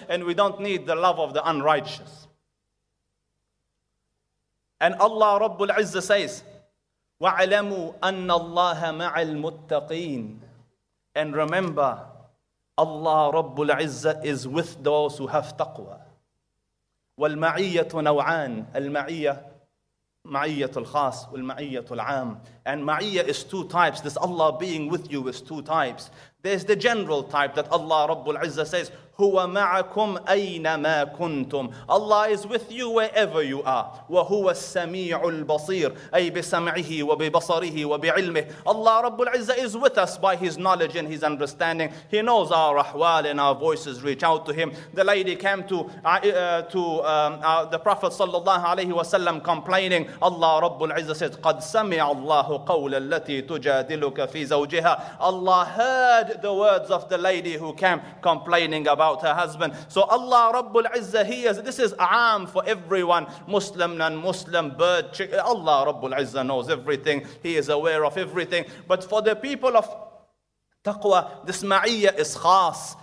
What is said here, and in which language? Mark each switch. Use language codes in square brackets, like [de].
[en] And we don't need the love of the unrighteous. And Allah Rabbul Izzah says, [ar] وَعَلَمُوا أَنَّ اللَّهَ مَعَ الْمُتَّقِينَ. [en] And remember, Allah Rabbul Izzah is with those who have taqwa. [ar] والمعية نوعان، المعية معية الخاص والمعية العام. [en] And معية is two types. This Allah being with you is two types. There's the general type that Allah رب العزة says [ar] هو معكم أينما كنتم. [en] Allah is with you wherever you are. [ar] وهو السميع البصير، أي بسمعه وببصره وبعلمه. [en] Allah رب العزة is with us by his knowledge and his understanding. He knows our أحوال and our voices reach out to him. The lady came to the Prophet صلى الله عليه وسلم complaining. [ar] Allah رب العزة said قد سمع الله قول التي تجادلك في زوجها. [en] Allah heard the words of the lady who came complaining about her husband. So Allah Rabbul Izza, this is aam for everyone, Muslim, non-Muslim, bird, chicken. Allah Rabbul Izza knows everything. He is aware of everything. But for the people of taqwa, this ma'iyya is khas.